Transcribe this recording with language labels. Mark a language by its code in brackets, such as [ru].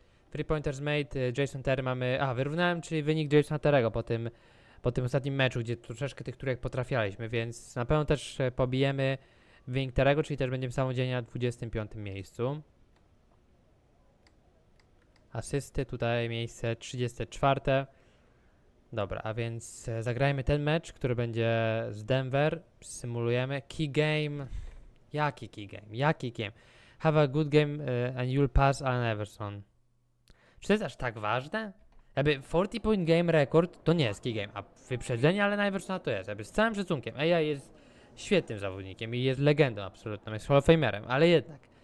[en] Three pointers made, [pl] Jason Terry mamy. A, wyrównałem, czyli wynik Jasona Terry'ego po tym ostatnim meczu, gdzie troszeczkę tych trójek potrafialiśmy, więc na pewno też pobijemy wynik Terry'ego, czyli też będziemy samodzielnie na 25 miejscu. Asysty tutaj miejsce 34. Dobra, a więc zagrajmy ten mecz, który będzie z Denver. Symulujemy. Key game. Jaki key game? Jaki game? [en] Have a good game and you'll pass Allen Iverson. [pl] Czy to jest aż tak ważne? Jakby 40 point game rekord to nie jest key game, a wyprzedzenie Allena Iversona to jest. Jakby z całym szacunkiem, AI jest świetnym zawodnikiem i jest legendą absolutną, jest Hall of Famerem, ale jednak.